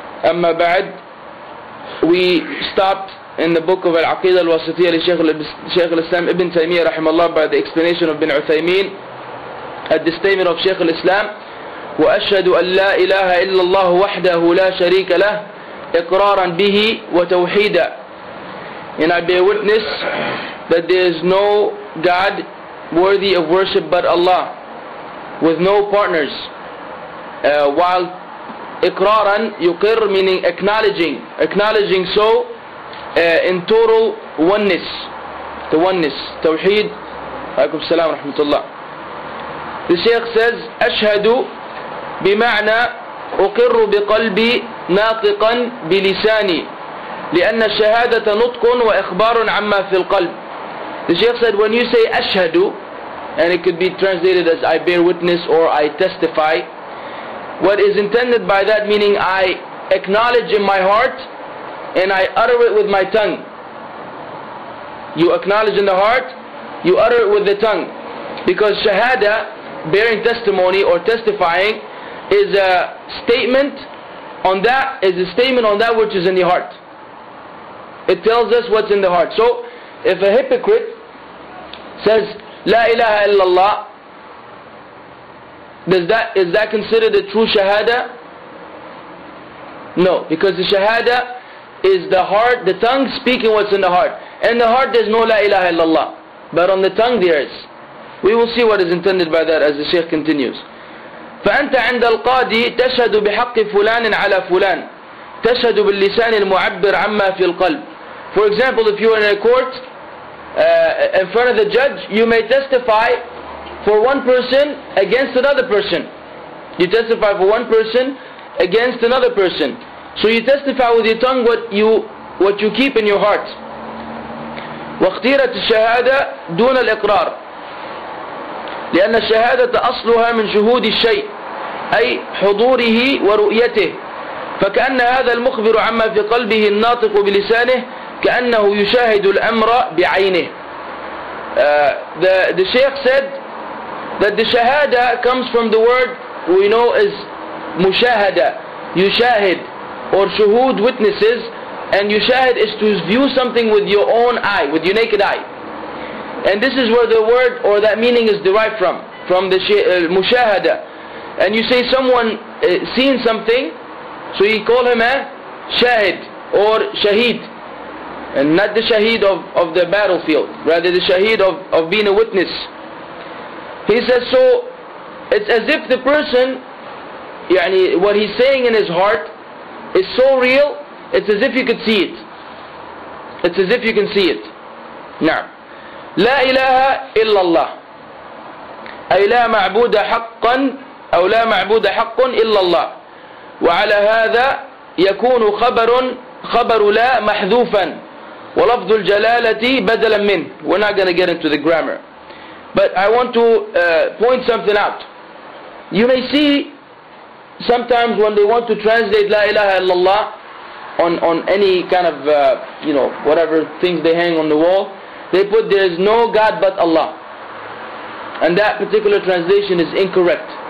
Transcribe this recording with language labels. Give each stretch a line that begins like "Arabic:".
Arabic: أما بعد،
English: we stopped in the book of
Arabic: العقيدة الوسطية لشيخ الإسلام ابن تيمية رحمه الله
English: by the explanation of
Arabic: ابن عثيمين
English: at the statement of
Arabic: شيخ الإسلام: وأشهد أن لا إله إلا الله وحده لا شريك له إقرارا به وتوحيدا.
English: And I bear witness that there is no God worthy of worship but Allah with no partners. While
Arabic: إقرارا يقر
English: meaning acknowledging so in total oneness. The oneness. توحيد.
Arabic: عليكم السلام ورحمة الله.
English: The Shaykh says
Arabic: أشهد بمعنى أقر بقلبي ناطقا بلساني لأن الشهادة نطق وإخبار عما في القلب.
English: The Shaykh said when you say أشهدُ, and it could be translated as I bear witness or I testify, what is intended by that meaning I acknowledge in my heart and I utter it with my tongue. You acknowledge in the heart, you utter it with the tongue. Because shahada, bearing testimony or testifying, is a statement on that, is a statement on that which is in the heart. It tells us what's in the heart. So if a hypocrite says La ilaha illallah, is that considered a true shahada? No, because the shahada is the heart, the tongue speaking what's in the heart. In the heart there's no La ilaha illallah, but on the tongue there is. We will see what is intended by that as the Shaykh continues.
Arabic: فأنت عند القاضي تشهد بحق فلان على فلان تشهد باللسان المعبر عما في القلب.
English: For example, if you are in a court in front of the judge, you may testify for one person against another person. You testify for one person against another person. So you testify with your tongue what you keep in your heart.
Arabic: واختيرة الشهادة دون الإقرار لأن الشهادة أصلها من شهود الشيء أي حضوره ورؤيته فكأن هذا المخبر عما في قلبه الناطق بلسانه كأنه يشاهد الأمر بعينه.
English: The Shaykh said that the shahada comes from the word we know as mushahada, yushahid, or shuhud, witnesses, and yushahid is to view something with your own eye, with your naked eye. And this is where the word or that meaning is derived from the mushahada. And you say someone seen something, so you call him a shahid or shaheed. And not the shaheed of the battlefield, rather the shaheed of being a witness. He says, so it's as if the person, يعني, what he's saying in his heart is so real, it's as if you could see it. It's as if you can see it. نعم.
Arabic: لا إله إلا الله أي لا معبود حقا أو لا معبود حق إلا الله. وعلى هذا يكون خبر لا محذوفا ولفظ الجلالة بدلا منه.
English: We're not going to get into the grammar, but I want to point something out. You may see sometimes when they want to translate
Arabic: لا إله إلا الله
English: on any kind of you know, whatever things they hang on the wall, they put there is no God but Allah, and that particular translation is incorrect.